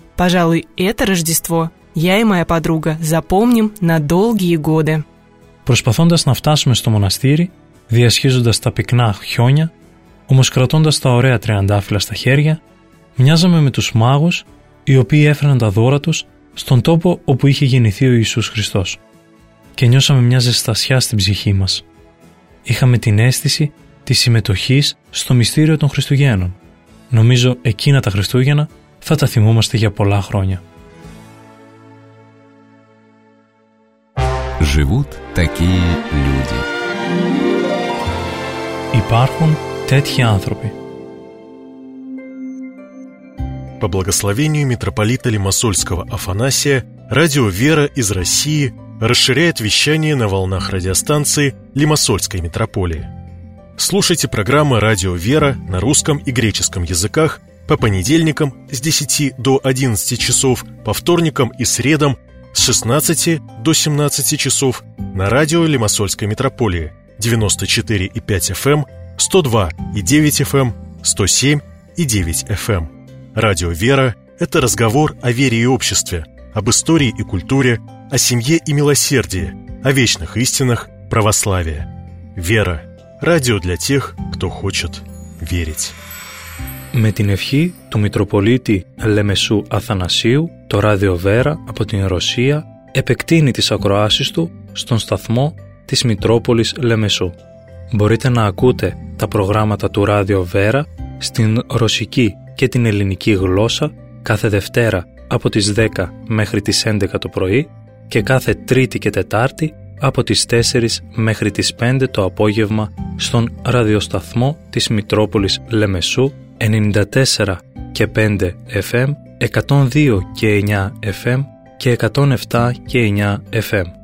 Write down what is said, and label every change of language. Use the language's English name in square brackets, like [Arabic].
[Russian] Пожалуй, это Рождество я и моя подруга запомним на долгие годы. [Greek] Προσπαθώντας να φτάσουμε στο μοναστήρι, διασχίζοντας τα πυκνά χιόνια, όμως κρατώντας τα ωραία τριαντάφυλλα στα χέρια, μοιάζαμε με τους μάγους, οι οποίοι έφεραν τα δώρα τους στον τόπο όπου είχε γεννηθεί ο Ιησούς Χριστός. Και νιώσαμε μια ζεστασιά στην ψυχή μας. Είχαμε την αίσθηση της συμμετοχής στο μυστήριο των Χριστουγέννων. Νομίζω εκείνα τα Χριστούγεννα θα τα θυμόμαστε για πολλά χρόνια. [Russian] Живут такие люди. [Greek] Υπάρχουν τέτοιοι άνθρωποι. [Russian] По благословению митрополита Лимассольского Афанасия, радио «Вера» из России расширяет вещание на волнах радиостанции Лимассольской митрополии. Слушайте программы «Радио «Вера» на русском и греческом языках по понедельникам с 10 до 11 часов, по вторникам и средам с 16 до 17 часов на радио Лимассольской митрополии 94,5 FM, 102,9 FM, 107,9 FM. Радио «Вера» – это разговор о вере и обществе, об истории и культуре, о семье и милосердии, о вечных истинах православия. «Вера» – радио для тех, кто хочет верить. [Greek] Με την ευχή του Μητροπολίτη Λεμεσού Αθανασίου, το Ράδιο Βέρα από την Ρωσία επεκτείνει τις ακροάσεις του στον σταθμό της Μητρόπολης Λεμεσού. Μπορείτε να ακούτε τα προγράμματα του Ράδιο Βέρα στην ρωσική και την ελληνική γλώσσα κάθε Δευτέρα από τις 10 μέχρι τις 11 το πρωί και κάθε Τρίτη και Τετάρτη από τις 4 μέχρι τις 5 το απόγευμα στον ραδιοσταθμό της Μητρόπολης Λεμεσού 94 και 5 FM, 102 και 9 FM και 107 και 9 FM.